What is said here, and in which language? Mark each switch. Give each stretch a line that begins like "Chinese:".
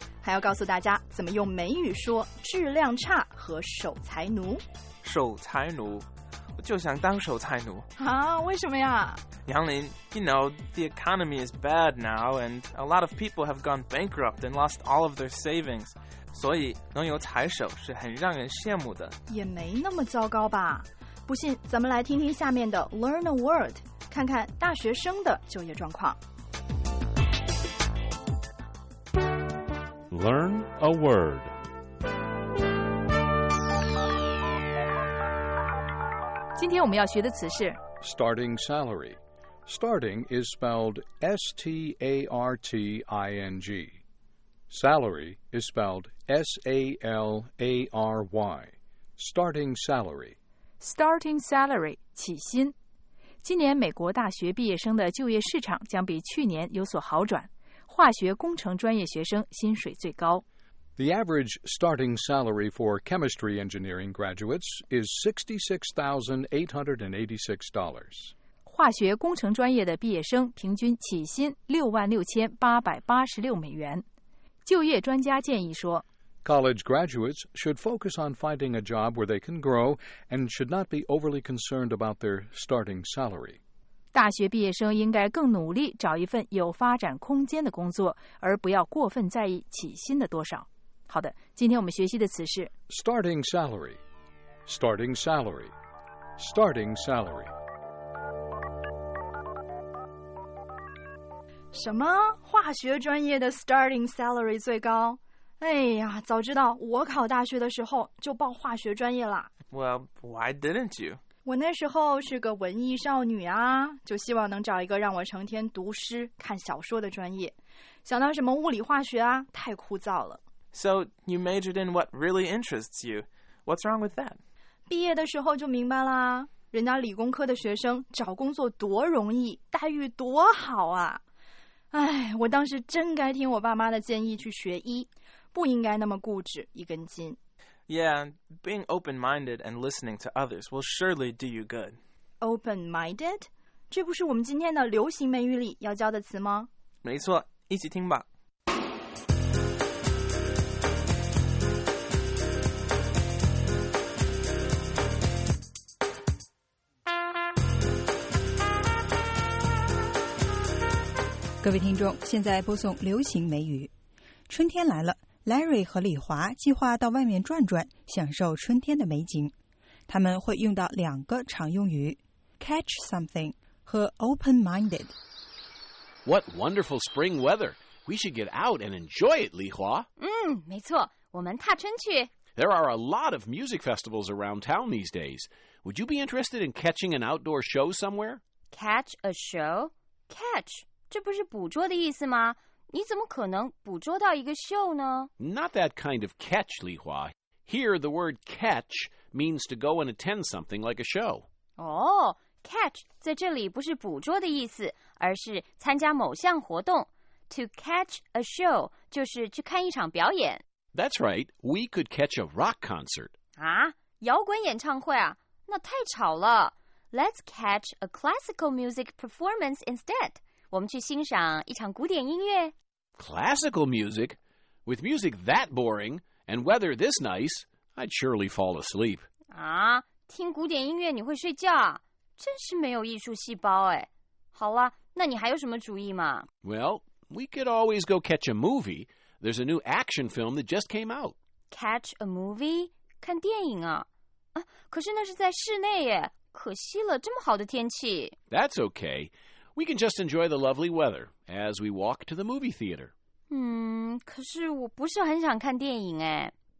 Chinese: 还要告诉大家怎么用美语说质量差和守财奴。守财奴，我就想当守财奴。啊，为什么呀？
English: 杨林， you know, the economy is bad now, and a lot of people have gone bankrupt and lost all of their savings.
Chinese: 所以能有财守是很让人羡慕的。也没那么糟糕吧。不信咱们来听听下面的 Learn a Word，看看大学生的就业状况。
English: Learn a word. Today, we're going to learn the word starting salary. Starting is spelled starting. Salary is spelled salary. Starting salary. Starting salary, 起薪。
Chinese: 今年美国大学毕业生的就业市场将比去年有所好转，化学工程专业学生薪水最高。
English: The average starting salary for chemistry engineering graduates is $66,886.
Chinese: 化学工程专业的毕业生平均起薪$66,886。就业专家建议说，
English: College graduates should focus on finding a job where they can grow and should not be overly concerned about their starting salary.
Chinese: 大学毕业生应该更努力找一份有发展空间的工作，而不要过分在意起薪的多少。好的，今天我们学习的词是
English: starting salary, starting salary, starting salary.
Chinese: 什么？化学专业的 starting salary 最高？哎呀，早知道我考大学的时候就报化学专业了。
English: Well, why didn't you?
Chinese: 我那时候是个文艺少女啊，就希望能找一个让我成天读诗看小说的专业。想到什么物理化学啊，太枯燥了。
English: So, you majored in what really interests you. What's wrong with that?
Chinese: 毕业的时候就明白啦，人家理工科的学生找工作多容易，待遇多好啊。哎，我当时真该听我爸妈的建议去学医，不应该那么固执一根筋。
English: Yeah, being open-minded and listening to others will surely do you good. Open-minded?
Chinese: 这不是我们今天的流行美语里要教的词吗？没错，一起听吧。各位听众，现在播送流行美语。春天来了，Larry 和李华计划到外面转转，享受春天的美景。他们会用到两个常用语 catch something 和 open-minded。
English: What wonderful spring weather! We should get out and enjoy it, 李华。
Chinese: 没错，我们踏春去。
English: There are a lot of music festivals around town these days. Would you be interested in catching an outdoor show somewhere? Catch a show?
Chinese: Catch, 这不是捕捉的意思吗？你怎么可能捕捉到一个秀呢？
English: Not that kind of catch, 李华. Here, the word catch means to go and attend something like a show.
Chinese: Oh, catch 在这里不是捕捉的意思，而是参加某项活动。
English: To catch a show
Chinese: 就是去看一场表演。
English: That's right. We could catch a rock concert.
Chinese: 啊，摇滚演唱会啊？那太吵了。
English: Let's catch a classical music performance instead.
Chinese: 我们去欣赏一场古典音乐。
English: Classical music? With music that boring, and weather this nice, I'd surely fall asleep.
Chinese: 啊，听古典音乐你会睡觉啊？真是没有艺术细胞哎。好了，那你还有什么主意吗？
English: Well, we could always go catch a movie. There's a new action film that just came out. Catch a movie?
Chinese: 看电影啊？啊，可是那是在室内耶，可惜了，这么好的天气。
English: That's okay. We can just enjoy the lovely weather as we walk to the movie theater.
Chinese: 可是我不是很想看电影哎。